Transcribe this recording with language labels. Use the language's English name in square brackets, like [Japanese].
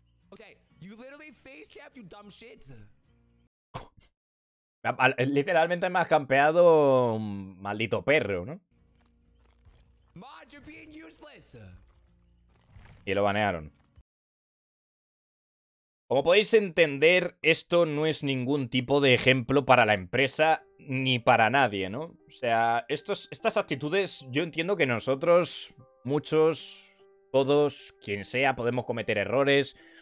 [English] Okay, you literally face cap, you dumb shit. [Spanish] Literalmente me has campeado un maldito perro, ¿no? [English] Mod, you're being useless. [Spanish] Y lo banearon. Como podéis entender, esto no es ningún tipo de ejemplo para la empresa ni para nadie, ¿no? O sea, estas actitudes yo entiendo que nosotros, muchos, todos, quien sea, podemos cometer errores.